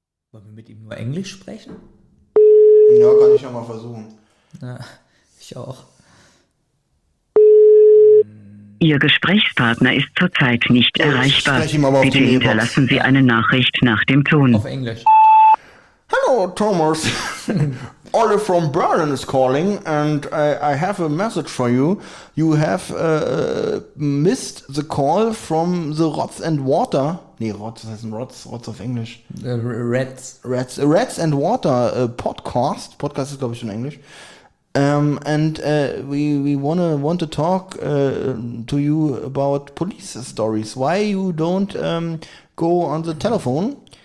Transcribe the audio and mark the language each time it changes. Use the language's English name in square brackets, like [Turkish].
[German] Wollen wir mit ihm nur Englisch sprechen? Ja, kann ich ja mal versuchen. Ja, ich auch. Ihr Gesprächspartner ist zurzeit nicht erreichbar. Bitte hinterlassen Sie eine Nachricht nach dem Ton. Auf Englisch. [English] Hello, Thomas. Olli from Berlin is calling and I have a message for you. You have missed the call from the Rots and Water. [German] Nee, Rots, das heißt Rots, Rots auf Englisch. [English] Rats. Rats and Water Podcast. [German] Podcast ist, glaube ich, schon Englisch. [English] We want to talk to you about police stories. Why you don't go on the telephone?